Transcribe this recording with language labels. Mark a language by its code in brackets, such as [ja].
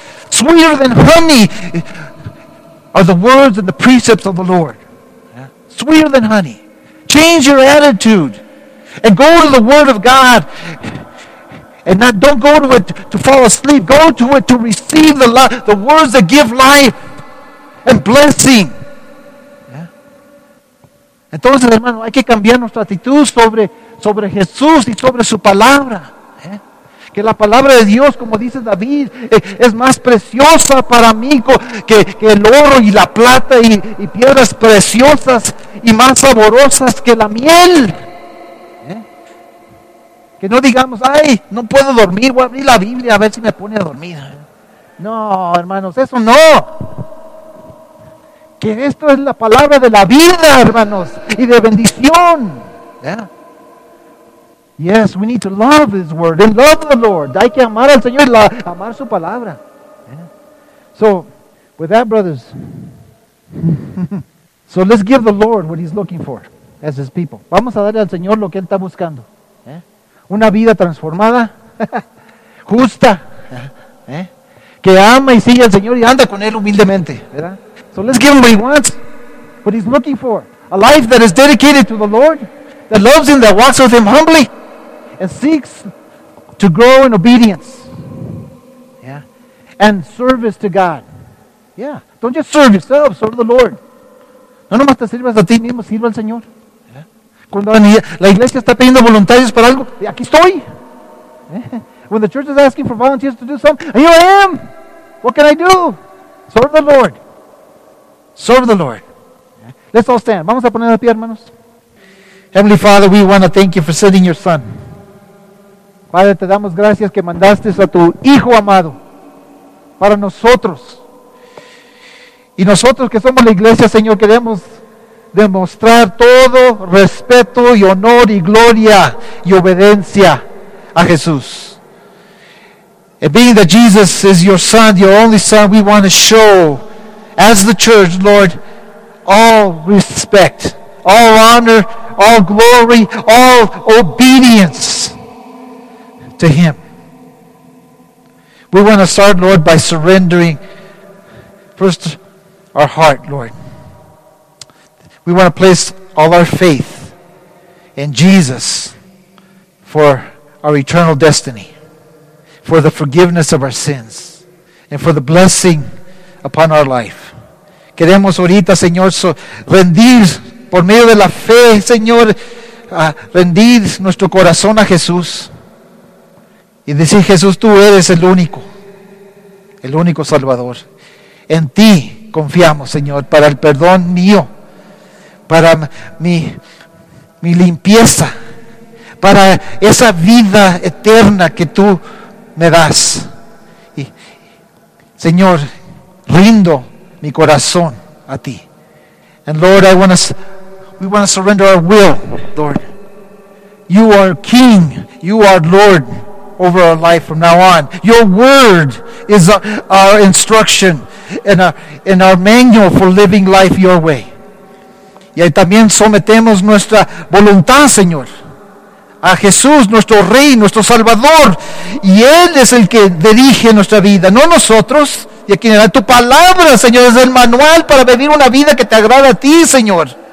[en] Sweeter than honey are the words and the precepts of the Lord. Yeah. Sweeter than honey. Change your attitude. And go to the Word of God. And not, don't go to it to fall asleep. Go to it to receive the words that give life and blessing. Yeah. [es] Entonces, hermano, hay que cambiar nuestra actitud sobre Jesús y sobre su palabra. [en] Yeah. [es] Que la palabra de Dios, como dice David, es más preciosa para mí que el oro y la plata y piedras preciosas y más saborosas que la miel. Que no digamos, ay, no puedo dormir, voy a abrir la Biblia a ver si me pone a dormir. No, hermanos, eso no. Que esto es la palabra de la vida, hermanos, y de bendición. [en] Yeah. Yes, we need to love His Word and love the Lord. [es] Hay que amar al Señor y amar su palabra. [en] Yeah. So, with that, brothers, so let's give the Lord what He's looking for as His people. [es] Vamos a darle al Señor lo que Él está buscando. Una vida transformada, justa, que ama y sigue al Señor y anda con Él humildemente, ¿verdad? [en] So let's give Him what He wants, what He's looking for. A life that is dedicated to the Lord, that loves Him, that walks with Him humbly, and seeks to grow in obedience. Yeah. And service to God. Yeah. Don't just serve yourself, serve the Lord. [es] No nomás te sirvas a ti mismo, sirva al Señor. Cuando la iglesia está pidiendo voluntarios para algo, aquí estoy. [en] When the church is asking for volunteers to do something, here I am. What can I do? Serve the Lord. Serve the Lord. Let's all stand. [es] Vamos a poner de pie, hermanos. [en] Heavenly Father, we want to thank you for sending your son. [es] Padre, te damos gracias que mandaste a tu hijo amado para nosotros. Y nosotros que somos la iglesia, Señor, queremos demostrar todo respeto y honor y gloria y obediencia a Jesús. [en] And being that Jesus is your son, your only son, we want to show as the church, Lord, all respect, all honor, all glory, all obedience to Him. We want to start, Lord, by surrendering first our heart, Lord. We want to place all our faith in Jesus for our eternal destiny, for the forgiveness of our sins, and for the blessing upon our life. [es] Queremos ahorita, Señor, rendir por medio de la fe, Señor, rendir nuestro corazón a Jesús y decir, Jesús, tú eres el único Salvador. En ti confiamos, Señor, para el perdón mío, para mi limpieza, para esa vida eterna que tú me das. Y, Señor, rindo mi corazón a ti. [en] And Lord, we want to surrender our will, Lord. You are King. You are Lord over our life from now on. Your word is our instruction and our manual for living life your way. [es] Y ahí también sometemos nuestra voluntad, Señor, a Jesús, nuestro Rey, nuestro Salvador. Y Él es el que dirige nuestra vida, no nosotros. Y aquí en tu palabra, Señor, es el manual para vivir una vida que te agrada a ti, Señor.